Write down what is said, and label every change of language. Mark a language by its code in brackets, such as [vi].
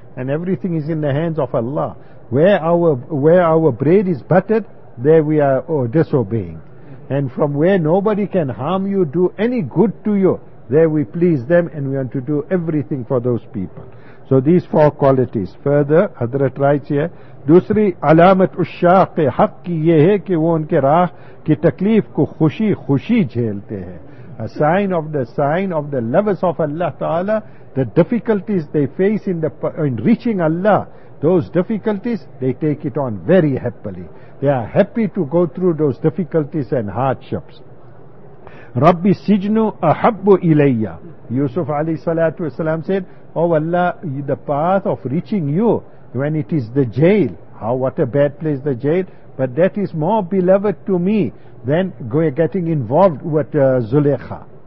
[en] And everything is in the hands of Allah. Where our bread is buttered, there we are disobeying. And from where nobody can harm you, do any good to you, there we please them and we want to do everything for those people. So these four qualities. Further, Hadrat writes here, [ur] دوسری علامت الشاق حق کی یہ ہے کہ وہ ان کے راہ کی تکلیف کو خوشی خوشی جھیلتے ہیں. [en] A sign of the lovers of Allah Ta'ala, the difficulties they face in reaching Allah, those difficulties, they take it on very happily. They are happy to go through those difficulties and hardships. [ar] Rabbi Sijnu Ahabbu Ilayya. [en] Yusuf Ali Salatu Wasalam said, oh Allah, the path of reaching you, when it is the jail, what a bad place the jail, but that is more beloved to me than getting involved with Zulaikha.